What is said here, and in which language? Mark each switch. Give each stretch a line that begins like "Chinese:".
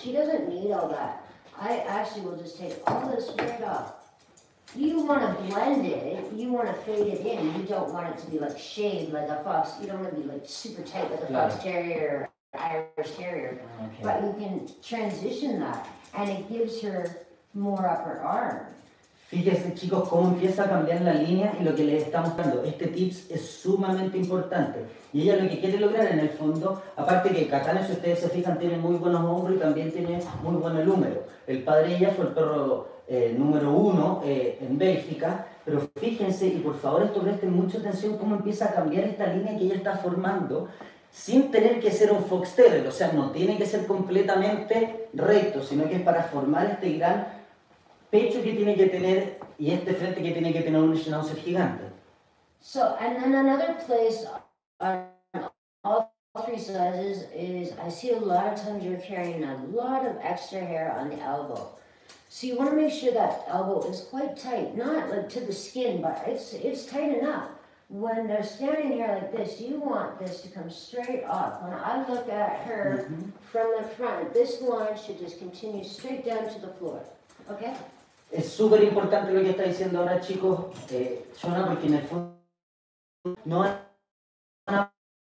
English: She doesn't need all that. I actually will just take all this right off. You want to blend it, you want to fade it in, you don't want it to be like shaved like a fox, you don't want to be like super tight like a fox terrier or Irish terrier, but you can transition that and it gives her more upper arm.
Spanish: Fíjense, chicos, cómo empieza a cambiar la línea y lo que les está mostrando. Este tips es sumamente importante. Y ella lo que quiere lograr en el fondo, aparte que Katana, si ustedes se fijan, tiene muy buenos hombros y también tiene muy buen el húmero. El padre de ella fue el perro número uno en Bélgica. Pero fíjense, y por favor, esto presten mucha atención, cómo empieza a cambiar esta línea que ella está formando sin tener que ser un fox terrier. O sea, no tiene que ser completamente recto, sino que es para formar este gran pecho que tiene que tener y este frente que tiene que tener un schnauzer gigante.
English: So, and then another place on all three sizes is I see a lot of times you're carrying a lot of extra hair on the elbow. So you want to make sure that elbow is quite tight, not like to the skin, but it's tight enough. When they're standing here like this, you want this to come straight up. When I look at her from the front, this line should just continue straight down to the floor. Okay?
Spanish: Es súper importante lo que está diciendo ahora, chicos, Shaunna, porque en el fondo no van a